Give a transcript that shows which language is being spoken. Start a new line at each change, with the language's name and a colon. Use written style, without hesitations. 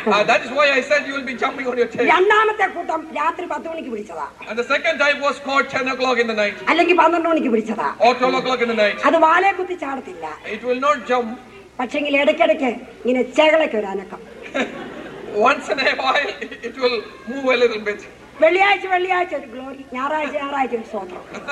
English: That is why I said you will be jumping on your tail.
Malayalam: രണ്ടാമത്തെ കൂട്ടം രാത്രി 10 മണിക്ക് പിടിച്ചതാ.
English: And the second type was caught 10 o'clock in the night.
Malayalam: അല്ലെങ്കിൽ 12 മണിക്ക് പിടിച്ചതാ.
English: Or 12 o'clock in the night.
Malayalam: അത് വാലേ കുത്തി ചാടത്തില്ല.
English: It will not jump.
Malayalam: പക്ഷേ ഇടയ്ക്കിടയ്ക്ക് ഇങ്ങനെ ചെകളൊക്കെ വരാനൊക്കെ.
English: Once in a while it will move a little bit.
Malayalam: വെള്ളിയാഴ്ച ഒരു ഗ്ലോറി, ഞായറാഴ്ച ഒരു സ്തോത്രം.